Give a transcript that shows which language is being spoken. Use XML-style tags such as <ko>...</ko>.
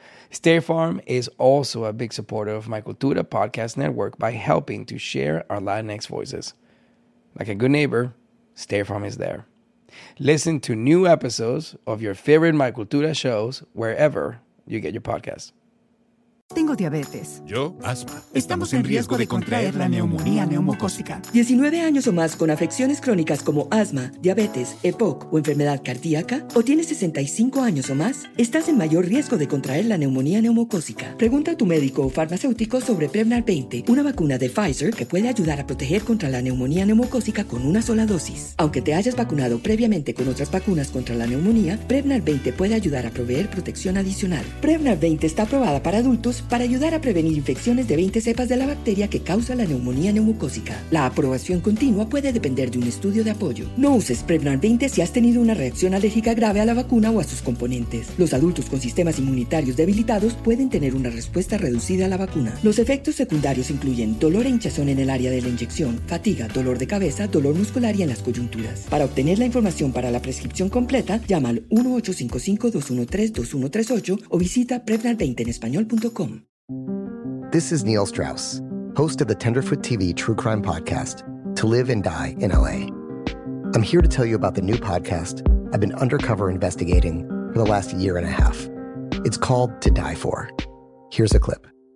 <en>State Farm is also a big supporter of my Cultura podcast network by helping to share our Latinx voices. Like a good neighbor, State Farm is there. Listen to new episodes of your favorite My Cultura shows wherever you get your podcasts.</en> <es>Tengo diabetes. Yo, asma. Estamos en riesgo de contraer la neumonía neumocócica. 19 años o más con afecciones crónicas como asma, diabetes, EPOC o enfermedad cardíaca, o tienes 65 años o más, estás en mayor riesgo de contraer la neumonía neumocócica. Pregunta a tu médico o farmacéutico sobre Prevnar 20, una vacuna de Pfizer que puede ayudar a proteger contra la neumonía neumocócica con una sola dosis. Aunque te hayas vacunado previamente con otras vacunas contra la neumonía, Prevnar 20 puede ayudar a proveer protección adicional. Prevnar 20 está aprobada para adultos para ayudar a prevenir infecciones de 20 cepas de la bacteria que causa la neumonía neumocócica. La aprobación continua puede depender de un estudio de apoyo. No uses Prevnar 20 si has tenido una reacción alérgica grave a la vacuna o a sus componentes. Los adultos con sistemas inmunitarios debilitados pueden tener una respuesta reducida a la vacuna. Los efectos secundarios incluyen dolor e hinchazón en el área de la inyección, fatiga, dolor de cabeza, dolor muscular y en las coyunturas. Para obtener la información para la prescripción completa, llama al 1-855-213-2138 o visita Prevnar20enespañol.com.</es> <en>This is Neil Strauss, host of the Tenderfoot TV True Crime Podcast, To Live and Die in LA. I'm here to tell you about the new podcast I've been undercover investigating for the last year and a half. It's called To Die For. Here's a clip.</en>